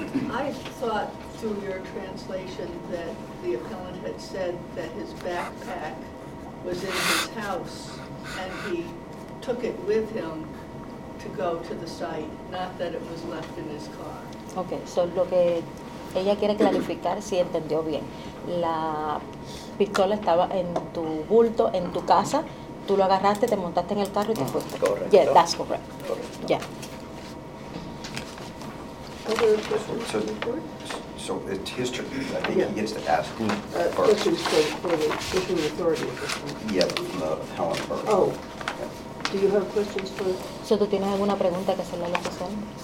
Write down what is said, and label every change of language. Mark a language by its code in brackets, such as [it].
[en] I thought through your translation that the appellant had said that his backpack was in his house and he took it with him to go to the site, not that it was left in his car. Okay, so [es] lo que ella quiere clarificar, si entendió bien. La pistola estaba en tu bulto, en tu casa. Tú lo agarraste, te montaste en el carro y te fuiste. Correcto. [en] Yeah, that's correct. [es] Correcto. [en] Yeah. So it's his turn. I think he gets to ask. This is for the issuing authority at this point. Yep, Helen Burke. Oh. Yeah. Do you have questions for... [es] So, ¿tú tienes alguna pregunta que hacerle a la persona?